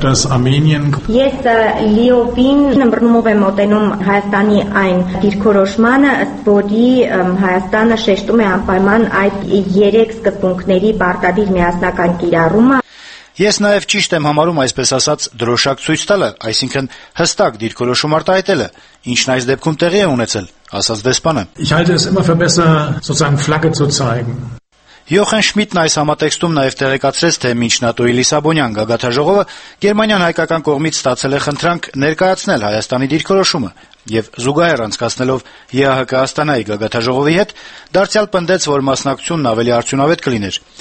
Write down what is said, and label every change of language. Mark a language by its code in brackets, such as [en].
[hy] լիովին նմբռնումով եմ մոտենում Հայաստանի այն դիրքորոշմանը, ըստ որի Հայաստանը շեշտում է անպայման այդ երեք սկզբունքների պարտադիր միասնական կիրառումը։ Ես նաև ճիշտ եմ համարում այսպես ասած դրոշակ ցույց տալը, այսինքն հստակ դիրքորոշում արտահայտելը, ինչն այս դեպքում տեղի է ունեցել, ասաց դեսպանը։ [de] Ich halte es immer für besser sozusagen Flagge zu zeigen. [hy] Յոխեն Շմիդտն այս համատեքստում նաև տեղեկացրեց, թե մինչ ՆԱՏՕ-ի Լիսաբոնյան գագաթաժողովը Գերմանիան հայկական կողմից ստացել է խնդրանք ներկայացնել Հայաստանի դիրքորոշումը և զուգահեռ անցկացնելով ԵԱՀԿ Աստանայի գագաթաժողովի հետ, դարձյալ պնդեց, որ մասնակցությունն ավելի արդյունավետ կլիներ։